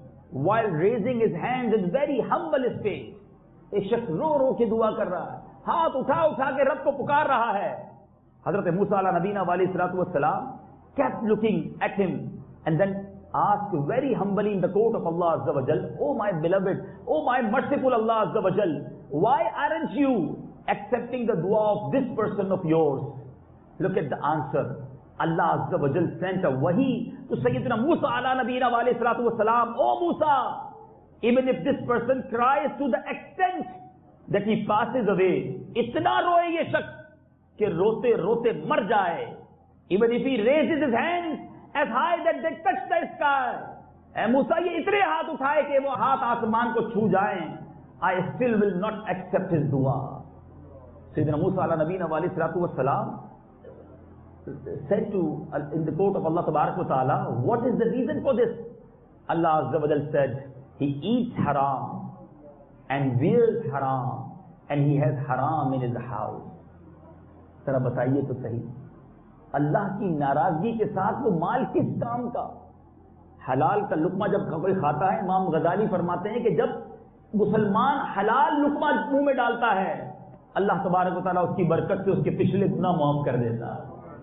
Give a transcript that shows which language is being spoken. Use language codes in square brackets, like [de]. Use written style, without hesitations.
[en] while raising his hands in very humble state. [ur] ایک شخص رو رو کے دعا کر رہا ہے, ہاتھ اٹھا اٹھا کے رب کو پکار رہا ہے. [en] حضرت موسیٰ علیہ نبینا علیہ الصلوۃ والسلام kept looking at him and then asked very humbly in the court of Allah عز و جل, oh my beloved, oh my merciful Allah عز و جل, why aren't you accepting the dua of this person of yours? Look at the answer. Allah عز و جل sent a wahi to سیدنا موسیٰ علیہ نبینا علیہ الصلوۃ والسلام, oh Musa, even if this person cries to the extent that he passes away, [ur] اتنا روئے یہ شخص کہ روتے روتے مر جائے, [en] even if he raises his hands as high that they touch the sky, [ur] اے موسیٰ یہ اتنے ہاتھ اٹھائے کہ وہ ہاتھ آسمان کو چھو جائیں, [en] I still will not accept his دعا. سیدنا Musa علیہ نبینا علیہ السلام said to in the court of Allah تبارک و تعالی, what is the reason for this? Allah عز و جل said, he eats haram and wears haram and he has haram in his house. [ur] ذرا بتائیے تو صحیح, اللہ کی ناراضگی کے ساتھ وہ مال کس کام کا؟ حلال کا لقمہ جب کوئی کھاتا ہے, امام غزالی فرماتے ہیں کہ جب مسلمان حلال لقمہ منہ میں ڈالتا ہے, اللہ تبارک و تعالیٰ اس کی برکت سے اس کے پچھلے گناہ معاف کر دیتا ہے.